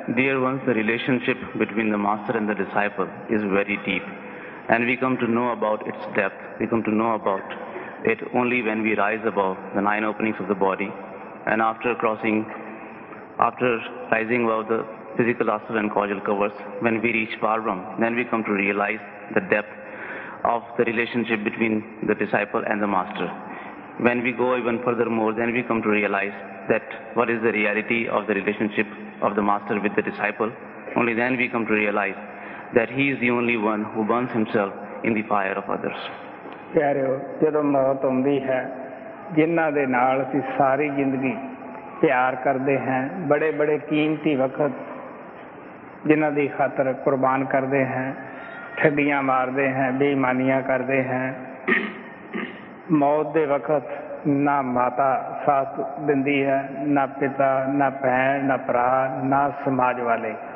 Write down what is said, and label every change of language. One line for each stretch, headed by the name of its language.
English: Dear ones, the relationship between the master and the disciple is very deep and we come to know about its depth, we come to know about it only when we rise above the nine openings of the body and after crossing after rising above the physical assert and causal covers, when we reach parbrahm, then we come to realize the depth of the relationship between the disciple and the master. When we go even furthermore, then we come to realize that what is the reality of the relationship of the master with the disciple. Only then we come to realize that he is the only one who burns himself in the fire of others.
Punjabi: Pyareo, jadon maut aundi hai jinnan de naal assi sari zindagi pyar karde hain, bade bade keemti waqt ਜਿਨ੍ਹਾਂ ਦੀ ਖਾਤਰ ਕੁਰਬਾਨ ਕਰਦੇ ਹਾਂ, ਠੱਗੀਆਂ ਮਾਰਦੇ ਹਾਂ, ਬੇਈਮਾਨੀਆਂ ਕਰਦੇ ਹਾਂ, ਮੌਤ ਦੇ ਵਕਤ ਨਾ ਮਾਤਾ ਸਾਥ ਦਿੰਦੀ ਹੈ, ਨਾ ਪਿਤਾ, ਨਾ ਭੈਣ, ਨਾ ਭਰਾ, ਨਾ ਸਮਾਜ ਵਾਲੇ।